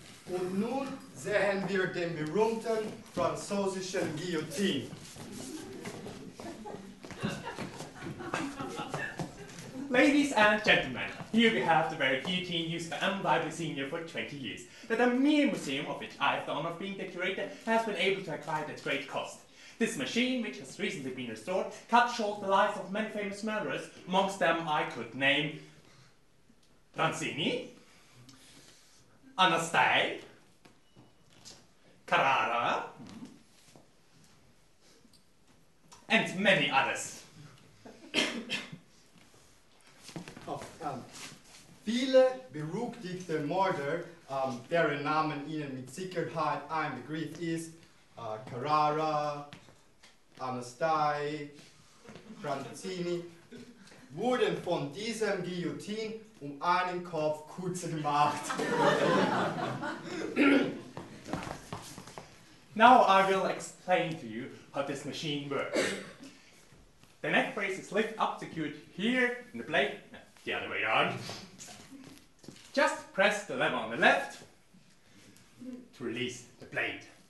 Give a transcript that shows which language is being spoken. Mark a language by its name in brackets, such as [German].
[German] Und nun sehen wir den berühmten französischen Guillotine. [English] Ladies and gentlemen, here we have the very guillotine used by M. Bible Senior for 20 years. The Daumier Museum, of which I have the honor of being the curator, has been able to acquire it at great cost. This machine, which has recently been restored, cut short the lives of many famous murderers, amongst them I could name Ranzini, Anastasi, Carrara, and many others. [German] Viele berüchtigte Mörder, deren Namen Ihnen mit Sicherheit ein Begriff ist, Carrara, Anastasi, Franzini, wurden von diesem Guillotine um einen Kopf kürzer gemacht. [English] Now I will explain to you how this machine works. The neck brace is lifted up, secured here in the blade, the other way around. Just press the lever on the left to release the blade.